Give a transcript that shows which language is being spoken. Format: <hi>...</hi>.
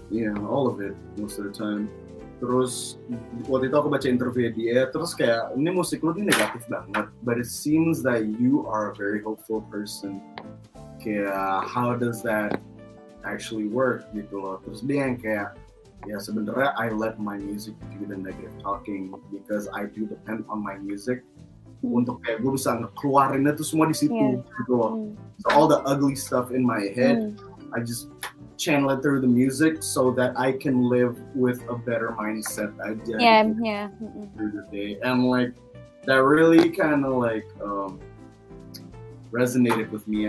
<en>Yeah, all of it most of the time.</en> <id>Terus waktu itu aku baca interview dia, terus kayak ini musik lu ini negatif banget.</id> <en>But it seems that you are a very hopeful person. Kayak how does that actually work</en> <id>gitu loh. Terus dia yang kayak ya sebenarnya</id> <en>I let my music do the negative talking because I do depend on my music.</en> <id>Untuk kayak gue bisa ngekeluarinnya tuh semua di situ gitu loh.</id> <en>So all the ugly stuff in my head, I just channel it through the music so that I can live with a better mindset. Through the day. And like that really kind of like resonated with me.</en>